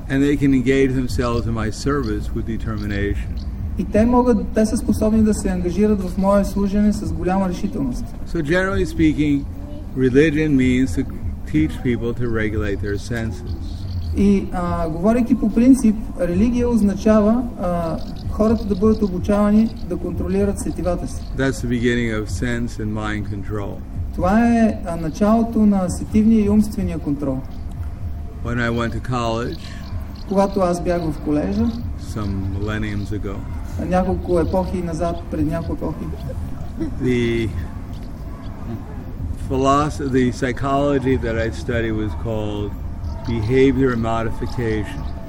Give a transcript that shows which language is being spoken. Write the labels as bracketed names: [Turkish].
[English] And they can engage themselves in my service with determination. [Bulgarian] И те могат, те са способни да се ангажират в мое служене с голяма решителност. [English] So generally speaking, religion means to teach people to regulate their senses. [Bulgarian] И говоряки по принцип, религия означава хората да бъдат обучавани да контролират сетивата си. [English] That's the beginning of sense and mind control. [Bulgarian] Това е началото на сетивния и умствения контрол. [English] When I went to college, [Bulgarian] когато аз бях в колежа, [English] some millenniums ago, [Bulgarian] няколко епохи назад, пред няколко епохи, [English] the philosophy, the psychology that I studied was called behavior modification.